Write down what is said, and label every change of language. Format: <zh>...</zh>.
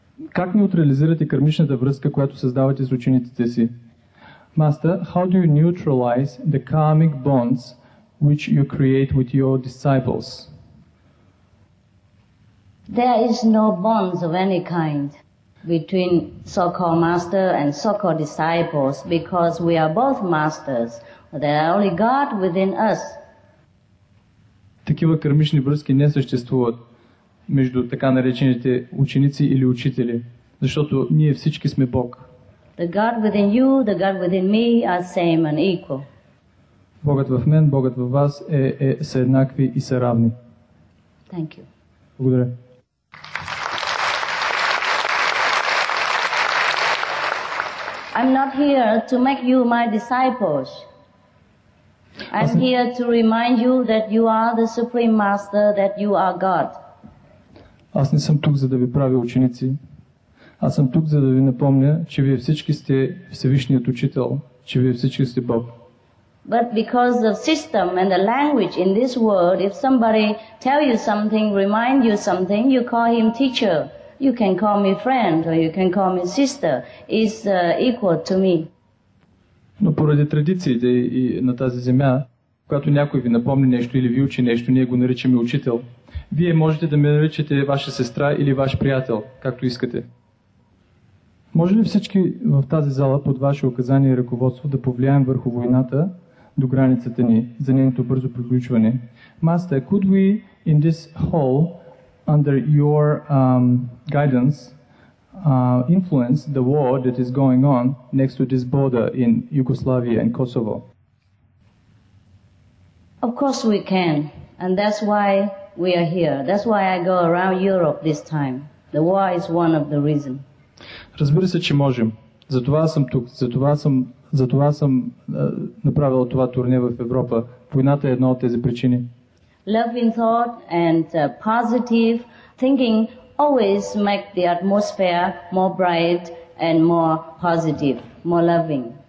<bg>Как неутрализирате кармичната връзка, която създавате с учениците си?</bg> <en>Master, how do you neutralize the karmic bonds which you create with your disciples? There is no bonds of any kind between so-called master and so-called disciples because we are both masters. There are only God within us.</en> <bg>Такива кармични връзки не съществуват между така наречените ученици или учители, защото ние всички сме Бог.</bg> <en>The God within you, the God within me are same and equal.</en> <bg>Богът в мен, Богът в вас е са еднакви и са равни.</bg> <en>Thank you.</en> <bg>Благодаря.</bg> <en>I'm not here to make you my disciples. I'm here to remind you that you are the Supreme Master, that you are God.</en> <bg>Аз не съм тук, за да ви правя ученици. Аз съм тук, за да ви напомня, че вие всички сте Всевишният Учител, че вие всички сте Бог.</bg> <en>But because of system and the language in this world, if somebody tell you something, remind you something, you call him teacher. You can call me friend or you can call me sister. It's equal to me.</en> <bg>Но поради традициите и на тази земя, когато някой ви напомни нещо или ви учи нещо, ние го наричаме учител. Вие можете да ме наричате ваша сестра или ваш приятел, както искате. Може ли всички в тази зала под ваше указание и ръководство да повлияем върху войната до границата ни за нейното бързо приключване?</bg> <en>Master, could we in this hall under your guidance influence the war that is going on next to this border in Yugoslavia and Kosovo? Of course we can, and that's why we are here. That's why I go around Europe this time. The war is one of the reasons.</en> <bg>Разбира се, че можем. Затова съм тук. Затова съм направил това турне в Европа. Войната е една от тези причини.</bg> <en>Loving thought and positive thinking always make the atmosphere more bright and more positive, more loving.</en>